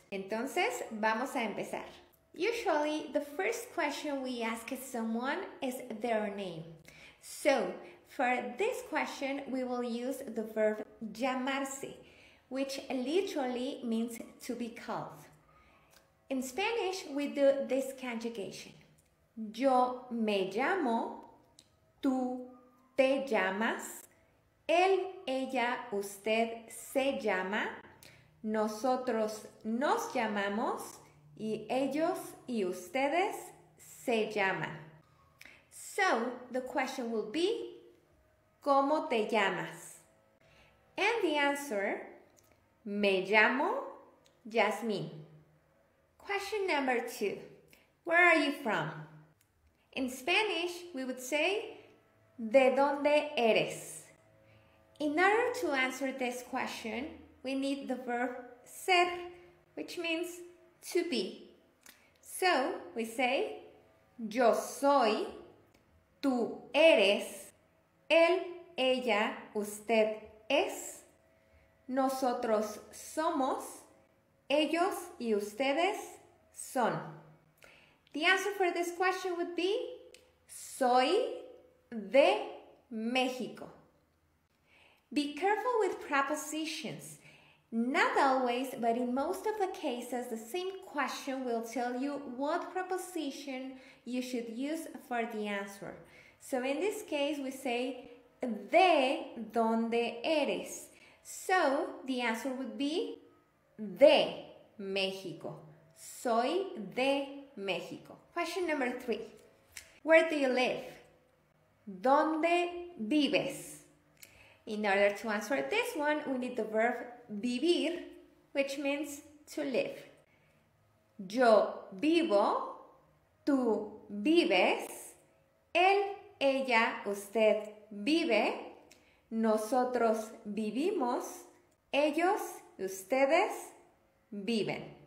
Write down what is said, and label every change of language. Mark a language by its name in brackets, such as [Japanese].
[Spanish] Entonces, vamos a empezar. [English] Usually, the first question we ask someone is their name. So, for this question, we will use the verb llamarse, which literally means to be called. In Spanish, we do this conjugation. [Spanish] Yo me llamo, tú te llamas, él, ella, usted se llama, nosotros nos llamamos, y ellos y ustedes se llaman. [English] So, the question will be, [Spanish] ¿cómo te llamas? [English] And the answer, [Spanish] me llamo Yasmín. [English] Question number two, where are you from? In Spanish, we would say, [Spanish] ¿de dónde eres? [English] In order to answer this question, we need the verb ser, which means to be. So, we say, [Spanish] yo soy, tú eres, él, ella, usted es, nosotros somos, ellos y ustedes son. [English] The answer for this question would be, [Spanish] soy de México. [English] Be careful with prepositions. Not always, but in most of the cases, the same question will tell you what preposition you should use for the answer. So in this case, we say, [Spanish] de donde eres. [English] So the answer would be, [Spanish] de México. Soy de México. [English] Question number three. Where do you live? [Spanish] ¿Dónde vives? [English] In order to answer this one, we need the verb vivir, which means to live. [Spanish] Yo vivo, tú vives, él, ella, usted vive, nosotros vivimos, ellos, ustedes viven.